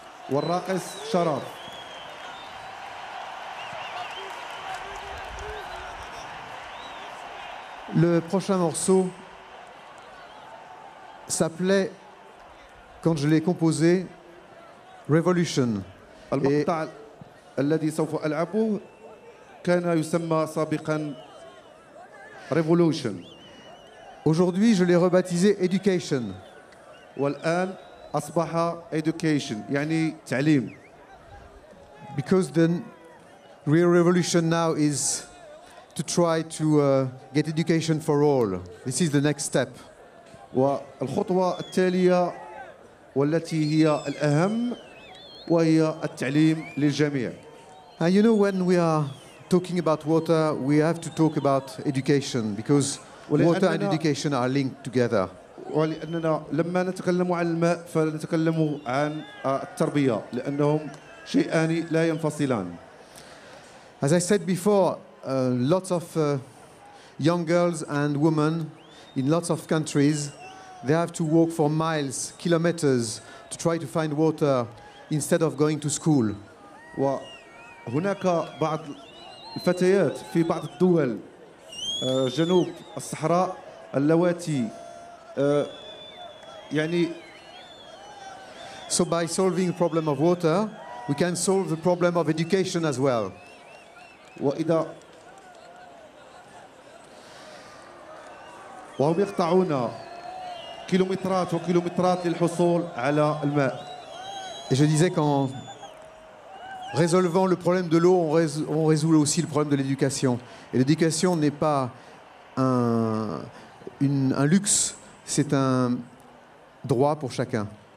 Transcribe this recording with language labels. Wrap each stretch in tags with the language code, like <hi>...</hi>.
<fr>Warraqis Sharaf. Le prochain morceau s'appelait, quand je l'ai composé, Revolution.</fr> <ar>Et الذي سوف ألعبه كان يسمى سابقا Revolution.</ar> <fr>Aujourd'hui, je l'ai rebaptisé Education.</fr> <ar>والآن أصبح Education, يعني تعليم.</ar> <en>Because the real revolution now is to try to get education for all. This is the next step.</en> <ar>والخطوة التالية والتي هي الأهم وهي التعليم للجميع.</ar> <en>And you know, when we are talking about water, we have to talk about education, because water and education are linked together.</en> <ar>ولأننا لما نتكلم عن الماء فنتكلم عن التربية لأنهم شيئان لا ينفصلان.</ar> <en>As I said before, lots of young girls and women in lots of countries, they have to walk for miles, kilometers, to try to find water instead of going to school.</en> <ar>هناك بعض الفتيات في بعض الدول جنوب الصحراء اللواتي يعني.</ar> <en>So by solving the problem of water, we can solve the problem of education as well.</en> <ar>وإذا وهم يقطعون كيلومترات وكيلومترات للحصول على الماء.</ar> <fr>Et je disais qu'en résolvant le problème de l'eau, on résout aussi le problème de l'éducation. Et l'éducation n'est pas un luxe, c'est un droit pour chacun.</fr>